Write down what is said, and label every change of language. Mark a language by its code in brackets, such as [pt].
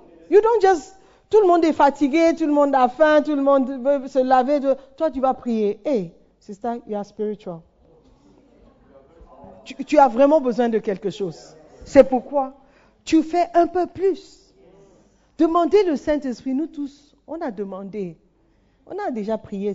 [en] You don't just, [fr] tout le monde est fatigué, tout le monde a faim, tout le monde veut se laver. Toi, tu vas prier. [en] Hey, sister, you are spiritual. [fr] Tu as vraiment besoin de quelque chose. C'est pourquoi tu fais un peu plus. Demandez le Saint-Esprit. Nous tous, on a demandé. On a déjà prié.